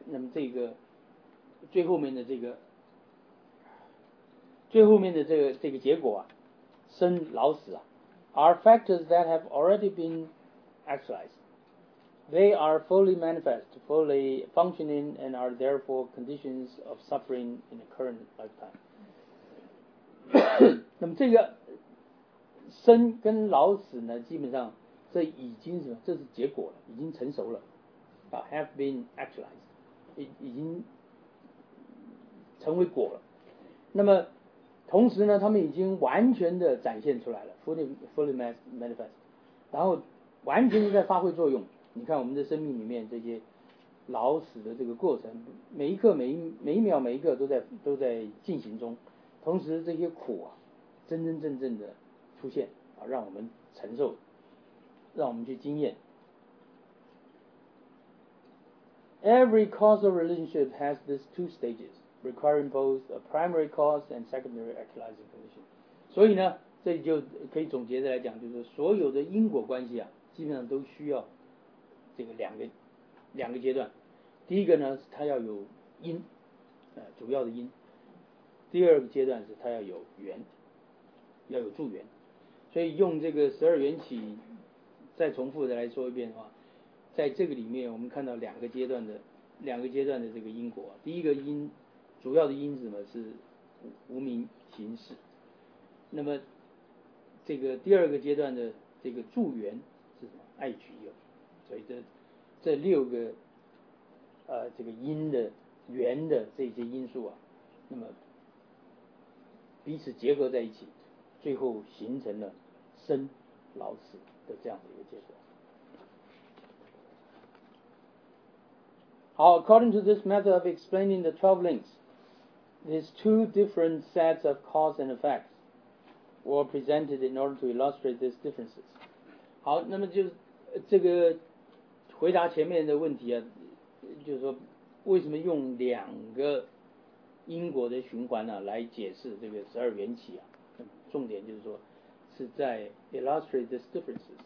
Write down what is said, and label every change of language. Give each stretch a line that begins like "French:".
Chinese: 那么这个最后面的这个结果啊，生老死啊 ，
English: are factors that have already been actualized. They are fully manifest, fully functioning, and are therefore conditions of suffering in the current lifetime.
Chinese: 那么这个生跟老死呢，基本上。这已经是这是结果了，已经成熟了、啊、
English: have been actualized
Chinese: 已经成为果了，那么同时呢他们已经完全的展现出来了
English: fully manifest，
Chinese: 然后完全的在发挥作用。你看我们的生命里面这些老死的这个过程，每一刻每一秒每一个都在进行中，同时这些苦啊真真正正的出现啊，让我们承受，让我们去经验。
English: Every causal relationship has these two stages, requiring both a primary cause and secondary actualizing condition.
Chinese: 所以呢，这里就可以总结的来讲，就是所有的因果关系啊，基本上都需要这个两个阶段。第一个呢，它要有因，主要的因；第二个阶段是它要有缘，要有助缘。所以用这个十二缘起。再重复的来说一遍的话，在这个里面我们看到两个阶段的这个因果。第一个因，主要的因是什么？是无名行事。那么这个第二个阶段的这个助缘是什么？爱取友。所以这六个这个因的缘的这些因素啊，那么彼此结合在一起，最后形成了生老死的这样的一个结果。
English: 好， according to this method of explaining the 12 links, these two different sets of cause and effects were presented in order to illustrate these differences.
Chinese: 好，那么就这个回答前面的问题啊，就是说为什么用两个因果的循环呢、啊、来解释这个十二缘起啊？重点就是说是在
English: illustrate these differences。